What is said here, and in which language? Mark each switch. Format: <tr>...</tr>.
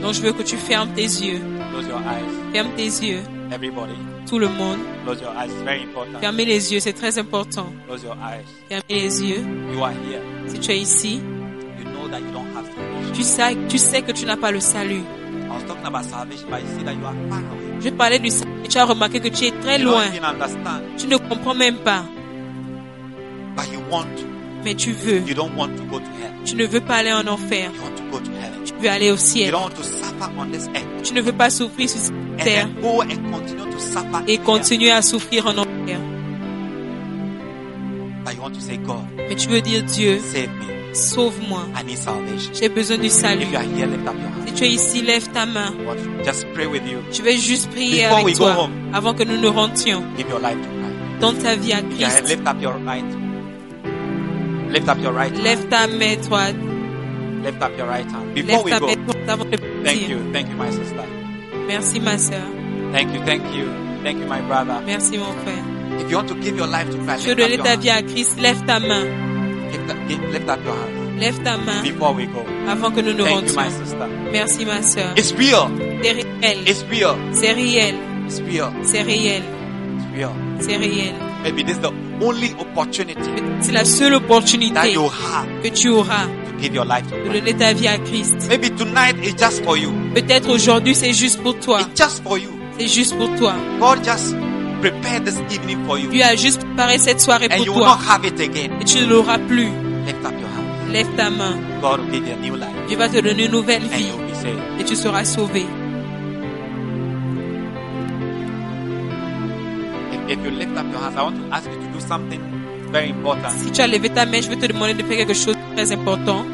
<fr>Donc je veux que tu fermes tes yeux.</fr> <en>Close your eyes.</en> <fr>Ferme tes yeux.</fr> <en>Everybody.</en> <fr>Tout le monde.</fr> <en>Close your eyes. Very important.</en> <fr>Fermez les yeux, c'est très important.</fr> <en>Close your eyes.</en> <fr>Fermez les yeux.</fr> <en>You are here.</en> <fr>Si tu es ici,</fr> <en>you know that you don't have salvation.</en> <fr>Tu sais que tu n'as pas le salut.</fr> <en>I was talking about salvation, but you see that you are far away.</en> <fr>Je parlais du salut. Tu as remarqué que tu es très</fr> <en>you</en> <fr>loin.</fr> <en>You don't even understand.</en> <fr>Tu ne comprends même pas.</fr> <en>But you want.</en> <fr>Mais tu veux.</fr> <en>You don't want to go to hell.</en> <fr>Tu ne veux pas aller en enfer.</fr> <en>You want to go to heaven.</en> <fr>Tu veux aller au ciel.</fr> <en>You don't want to suffer on this earth.</en> <fr>Tu ne veux pas souffrir sur cette</fr> <en>and</en> <fr>terre.</fr> <en>Then go and continue to suffer</en> <fr>et continuer à souffrir en enfer.</fr> <en>But you want to say God.</en> <fr>Mais tu veux dire Dieu.</fr> <en>Save me.</en> <fr>Sauve-moi.</fr> <en>I need salvation.</en> <fr>J'ai besoin du salut.</fr> <en>If you are here, lift up your hand.</en> <fr>Si tu es ici, lève ta main.</fr> <en>Just pray with you.</en> <fr>Je vais juste prier</fr> <en>before</en> <fr>avec</fr> <en>we</en> <fr>toi</fr> <en>go home,</en> <fr>avant que nous ne rentions.</fr> <en>Give your life to Christ.</en> <fr>Donne ta vie à Christ.</fr> <en>Yeah, lift up your right. Lift up your right.</en> <fr>Lève ta main toi.</fr> <en>Lift up your right hand. Before we go.</en> <fr>Ta main,</fr> <en>thank you, my sister.</en> <fr>Merci, ma sœur.</fr> <en>Thank you, thank you. Thank you, my brother.</en> <fr>Merci, mon frère.</fr> <en>If you want to give your life to Christ,</en> <fr>tu veux donner ta vie à Christ, lève ta main.</fr> <en>Lift up your hand.</en> <fr>Lève ta main.</fr> <en>Before we go.</en> <fr>Avant que nous ne rentrions.</fr> <en>Thank you, my sister.</en> <fr>Merci, ma sœur.</fr> <en>It's real.</en> <fr>C'est réel.</fr> <en>It's real.</en> <fr>C'est réel.</fr> <en>It's real.</en> <fr>C'est réel.</fr> <en>It's real.</en> <fr>C'est réel.</fr> <en>Maybe this is the only opportunity.</en> <fr>C'est la seule opportunité</fr> <en>that you have</en> <fr>que tu auras.</fr> <en>Give your life to Christ.</en> <fr>Donner ta vie à Christ.</fr> <en>Maybe tonight is just for you.</en> <fr>Peut-être aujourd'hui c'est juste pour toi.</fr> <en>It's just for you.</en> <fr>C'est juste pour toi.</fr> <en>God just prepared this evening for you.</en> <fr>Dieu a juste préparé cette soirée</fr> <en>and</en> <fr>pour</fr> <en>you</en> <fr>toi.</fr> <en>Will not have it again.</en> <fr>Et tu ne l'auras plus.</fr> <en>Lift up.</en> <fr>Lève ta main.</fr> <en>God will give you a new life.</en> <fr>Dieu va te donner une nouvelle vie.</fr> <en>And you'll be saved.</en> <fr>Et tu seras sauvé.</fr> <en>If you lift up your hands, I want to ask you to do something very important.</en> <fr>Si tu as levé ta main, je veux te demander de faire quelque chose de très important.</fr>